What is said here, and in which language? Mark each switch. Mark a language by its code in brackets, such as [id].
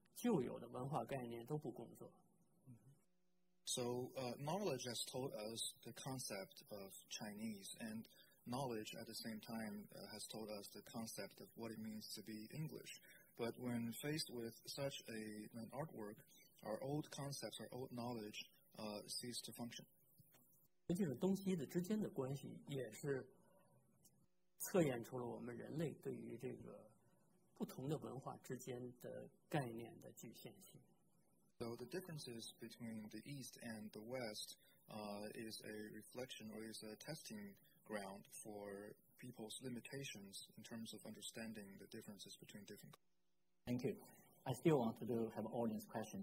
[zh] 实际上，比如说，我们有中文的概念，什么是中文？知识告诉我们什么是中文。我们也有英文的概念，知识告诉我们什么是英文。但是面对这样的说法呢，我们所有的旧有的文化概念都不工作。 [en] So knowledge has told us the concept of Chinese, and knowledge at the same time has told us the concept of what it means to be English. But when faced with such an artwork, our old concepts, our old knowledge, cease to function. [zh] 这个东西的之间的关系也是测验出了我们人类对于这个不同的文化之间的概念的局限性。 [en] So the differences between the East and the West is a reflection or is a testing ground for people's limitations in terms of understanding the differences between different countries. Thank you. I still want to have an audience question.